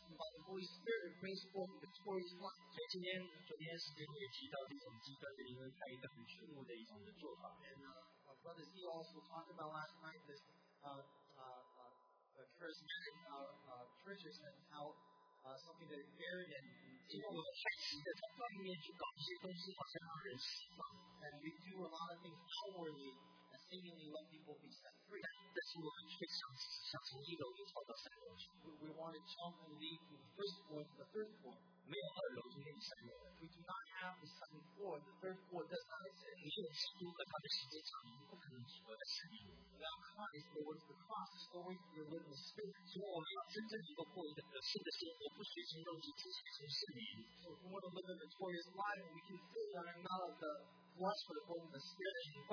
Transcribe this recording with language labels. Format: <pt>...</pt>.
<en>By the Holy Spirit, it brings forth victorious life.</en> <zh>所以今天，昨天神也提到这种极端的人，他一个很羞辱的一种的做法。</zh> <en>And Brother Z also talked about last night this charismatic churches and how something that appeared in.</en> <zh>因为我们太急着在外面去搞一些东西，好像让人失望。</zh> <en>And we do a lot of things outwardly, and seemingly let people be set free.</en> <zh>但是我们却想从一楼跳到三楼去。</zh> <en>We want to jump and leap from the first floor to the third floor.</en> <zh>没有二楼，没有三楼。</zh> <en>We do not have the second floor. The third floor does not exist.</en> <zh>没有基督和他的十字架，你不可能活在神里。</zh> <en>Without Christ, the word of the cross is the way to the word of the Spirit.</en> <zh>所以我们要真正能够过一个得胜的生活，不随从肉体，只随从圣灵。</zh> <en>So if we want to live a victorious life, we can feel that I'm not of the flesh, but of the Spirit.</en>